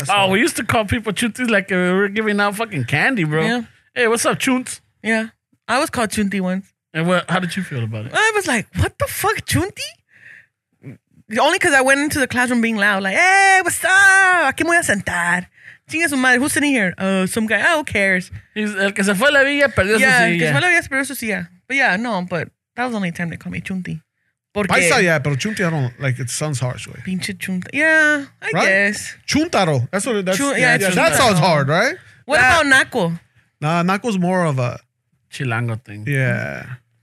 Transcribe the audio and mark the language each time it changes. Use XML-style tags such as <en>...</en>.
<en>Oh, we used to call people chuntis like we were giving out fucking candy, bro. Yeah. Hey, what's up, chunts? Yeah, I was called chunti once. And what, how did you feel about it? I was like, what the fuck, chunti? Only because I went into the classroom being loud, like, hey, what's up?</en> <es>Aquí me voy a sentar. Chinga su madre.</es> <en>Who's sitting here? Some guy. Oh, who cares?</en> <es>El que se fue la villa perdió su silla. Yeah, el que se fue la villa perdió su silla.</es> <en>But yeah, no, but that was the only time they called me chunti.</en> <es>Porque paisa,</es> <en>yeah, pero chunti, I don't, like, it sounds harsh, way.</en> <es>Pinche chunta.</es> <en>Yeah, I guess. Chuntaro. That's what it is. Yeah, that sounds hard, right? What about naco? Nah, naco's more of a chilango thing. Yeah.</en>